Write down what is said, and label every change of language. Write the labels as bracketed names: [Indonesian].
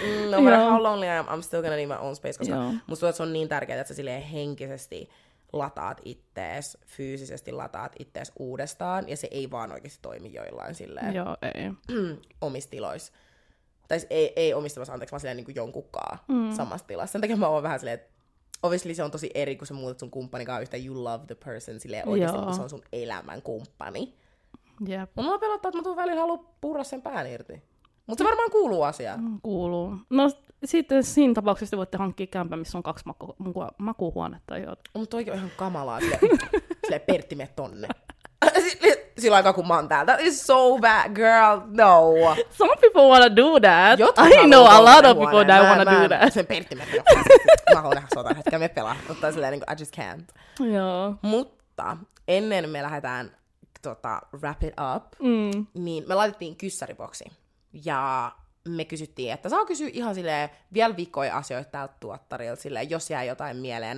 [English] no matter how lonely I am, I'm still gonna need my own space. [Finnish] Koska musta tuntuu, se on niin tärkeää, että sä silleen henkisesti lataat ittees, fyysisesti lataat ittees uudestaan, ja se ei vaan oikeesti toimi joillain silleen. Joo, ei. Omissa tiloissa. Tai ei omissa tiloissa, anteeksi, vaan silleen niin jonkunkaan samassa tilassa. Sen takia mä oon vähän silleen, että obviously se on tosi eri, kun sä muutat sun kumppanikaan yhteen, [English] you love the person, [Finnish] silleen oikeesti, kun se on sun elämän kumppani. Jep. Mulla pelottaa, että mä tuun välillä haluu purra sen pään irti. Mutta se varmaan kuuluu asiaan. Kuuluu. No sitten siinä tapauksessa voitte hankkia kämpää, missä on kaksi makuuhuonetta. Mutta toikin on ihan kamalaa. Silleen, Pertti, mene tonne. Sillä aikaa, kun mä oon täällä. [English] That is so bad, girl. No. Some people wanna do that. [Finnish] Jotkut [English] I know a lot of people that wanna do that. [Finnish] Sen Pertti, mene. Mä haluan nähdä sotaan hetkään, me pelaa. Mutta silleen, [English] I just can't. [Finnish] Joo. Mutta ennen me lähdetään [English] wrap it up, [Finnish] niin me laitettiin kyssäriboksi. Ja me kysyttiin, että saa kysyä ihan silleen vielä vikoja asioita täältä tuottarilta, silleen, jos jää jotain mieleen.